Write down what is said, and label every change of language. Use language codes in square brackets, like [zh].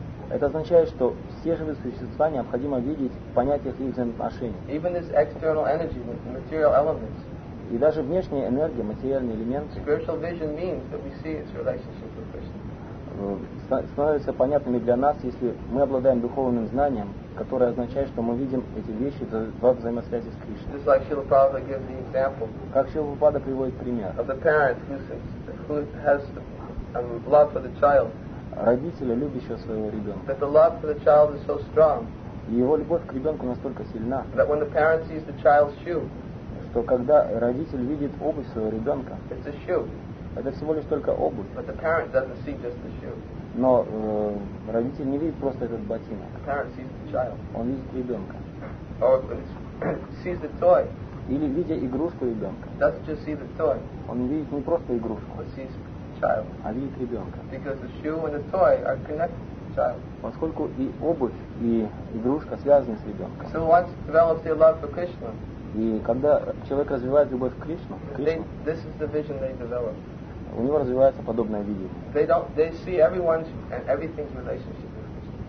[ru] Это означает, что все живые существа необходимо видеть в понятиях их взаимоотношений. [en] Even this external energy, the material elements. [ru] И даже внешняя энергия, материальный элемент, [en] spiritual vision means that we see its relationship with Krishna. [ru] Становятся понятными для нас, если мы обладаем духовным знанием, которое означает, что мы видим эти вещи во взаимосвязи с Кришной. [en] Just like Srila Prabhupada gives the example, [ru] как Srila Prabhupada приводит пример, [en] of the parent who has a love for the child, [ru] родителя, любящего своего ребенка, [en] that the love for the child is so strong, [ru] и его любовь к ребенку настолько сильна, [en] that when the parent sees the child's shoe, [ru] что когда родитель видит обувь своего ребенка, [en] it's a shoe. [ru] Это всего лишь только обувь. [en] But the parent doesn't see just the shoe. [ru] Но родитель не видит просто этот ботинок. [en] The parent sees the child. [ru] Он видит ребенка. [en] Or sees the toy. [ru] Или видя игрушку ребенка. [en] Doesn't just see the toy. [ru] Он видит не просто игрушку. [en] But sees child. [ru] А видит ребенка. [en] Because the shoe and the toy are connected to the child. [ru] Поскольку и обувь, и игрушка связаны с ребенком. [en] So once develops their love for Krishna. [ru] И когда человек развивает любовь к Кришне, [en] this is the vision they develop. [ru] У него развивается подобное видение. [en] They see everyone's and everything's relationship with Krishna.